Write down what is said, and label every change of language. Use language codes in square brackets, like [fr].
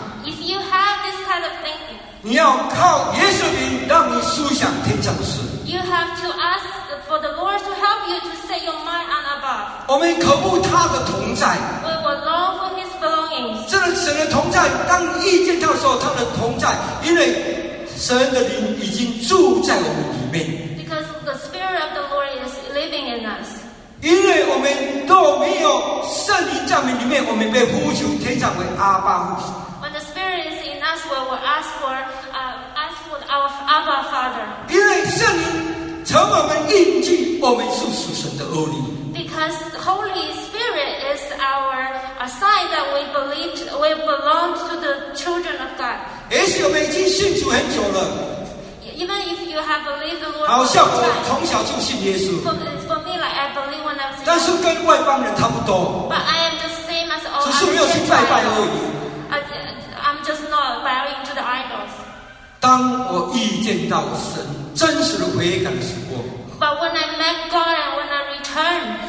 [en] ，If you have this kind of thinking， [zh] 你要靠耶稣灵让你思想天上的事。 [en] You have to ask for the Lord to help you to set your mind on above。 [zh] 我们渴慕他的同在 [en] ，We will long for His belongings。 [zh] 这个神的同在，当遇见他的时候，他的同在，因为。神的灵已经住在我们里面 [en] ，because the spirit of the Lord is living in us。 [zh] 因为我们都没有圣灵在我们里面，我们被呼求天上为阿爸父。 [en] When the spirit is in us, we will ask for our Abba Father。 [zh] 因为圣灵成我们印记，我们是属神的儿女。 [en] Because the Holy Spirit is our sign that we belong to the children of God。 [zh] 也许我们已经信主很久了。 [en] Even if you have believed the Lord, [zh] 好像我从小就信耶稣。 [en] For me, like I believe when I was. [zh] 但是跟外邦人差不多。 [en] But I am the same as all. [zh] 只是没有去拜拜而已。 [en] I'm just not bowing to the idols. [zh] 当我遇见到神真实的悔改的时候。 [en] But when I met God and when I returned.